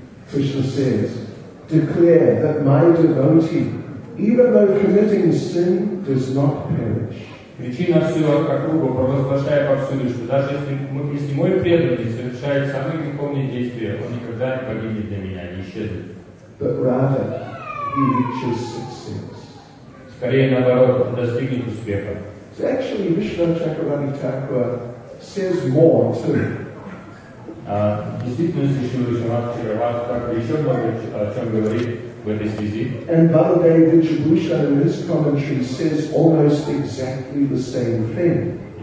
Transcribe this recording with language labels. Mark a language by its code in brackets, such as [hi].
[en] Krishna says, declare that my devotee, even though committing sin, does not perish. [ru] Причина всего, как Руба провозглашая повсюду, что даже если мой преданный совершает самые духовные действия, он никогда не погибнет для меня, не исчезнет. [en] But rather, he reaches success. [ru] Скорее наоборот, он достигнет успеха. [en] So actually, Vishnu Chakravarti Thakur says more too. [ru] Действительно, Вишну Чакраварти Такур еще много о чем говорит. [en] And Baladeva Vijayabhusha in his commentary says almost exactly the same thing.